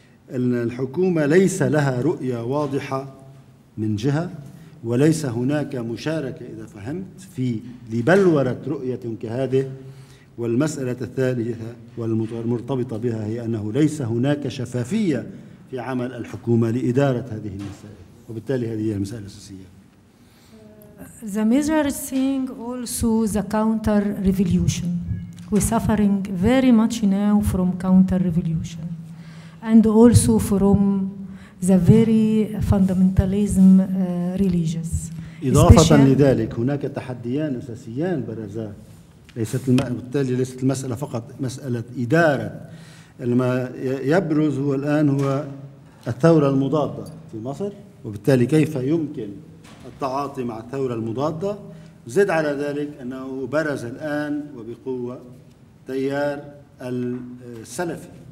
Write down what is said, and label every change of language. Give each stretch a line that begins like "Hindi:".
Arabic: أن الحكومة ليس لها رؤية واضحة من جهة وليس هناك مشاركة إذا فهمت في لبلورة رؤية كهذه والمسألة الثالثة والمرتبطة بها هي أنه ليس هناك شفافية في عمل الحكومة لإدارة هذه المسائل وبالتالي هذه هي المسألة الأساسية.
English: The major thing also the counter revolution. We're suffering very much now from counter revolution and also from the very fundamentalism religious.
Arabic: إضافة لذلك هناك تحديان أساسيان برزا ليست بالتالي ليست المسألة فقط مسألة إدارة. ما يبرز هو الآن هو الثورة المضادة في مصر وبالتالي كيف يمكن التعاطي مع الثورة المضادة زد على ذلك أنه برز الآن وبقوة تيار السلفي